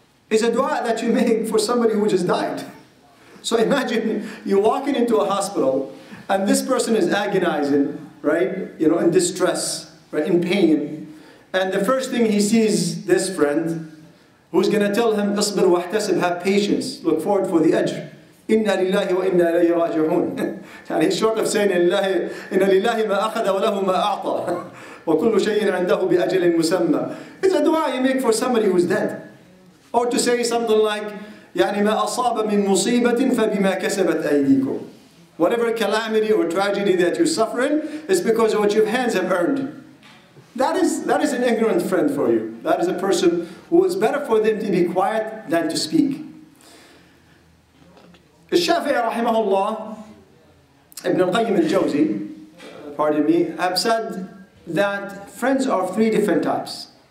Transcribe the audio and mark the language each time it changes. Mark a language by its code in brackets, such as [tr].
[en] It's a dua that you make for somebody who just died. So imagine you're walking into a hospital and this person is agonizing, right? You know, in distress, right? In pain. And the first thing he sees this friend who's going to tell him, [ar] اصبر واحتسب, [en] have patience, look forward for the ajr. [ar] إِنَّا لِلَّهِ وَإِنَّا إِلَيْهِ رَاجِعُونَ. And he's short of saying, إِنَّا لِلَّهِ مَا أَخَذَ وَلَهُ مَا أَعْطَى. وَكُلُّ شَيْءٍ عَنْدَهُ بِأَجَلٍ مُسَمَّى. [en] It's a dua you make for somebody who's dead. Or to say something like, [ar] يعني ما أصاب من مصيبة فبما كسبت أيديكم. [en] Whatever calamity or tragedy that you're suffering is because of what your hands have earned. That is an ignorant friend for you. That is a person who is better for them to be quiet than to speak. الشافعي رحمه الله ابن القيم الجوزي, pardon me, have said that friends are three different types.